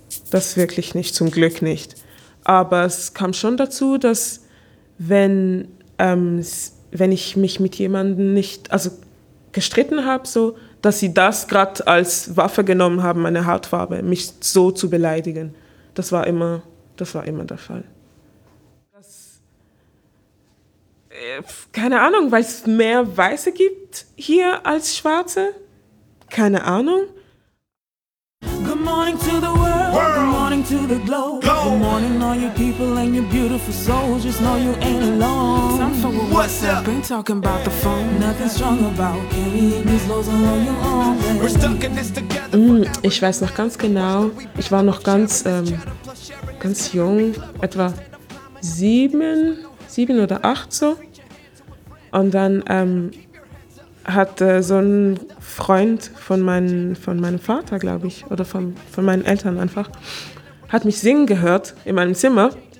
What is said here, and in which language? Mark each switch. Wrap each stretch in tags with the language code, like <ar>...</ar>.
<de>Das wirklich nicht, zum Glück nicht. Aber es kam schon dazu, dass wenn ich mich mit jemandem nicht, also gestritten habe, so, dass sie das gerade als Waffe genommen haben, meine Hautfarbe, mich so zu beleidigen. Das war immer der Fall. Keine Ahnung, weil es mehr Weiße gibt hier als Schwarze? Keine Ahnung.</de> <en>Good morning to the world, good morning to the globe. Good morning all you people and your beautiful souls. Just know you ain't alone. Time for what's up? Been talking about the phone. Nothing strong about carrying these loads on your own. We're stuck in this together.</en> <de>Ich weiß noch ganz genau, ich war noch ganz, ganz jung, etwa 7 oder 8 so. Und dann hat so ein Freund von meinem Vater, glaube ich, oder von meinen Eltern einfach, hat mich singen gehört in meinem Zimmer.</de>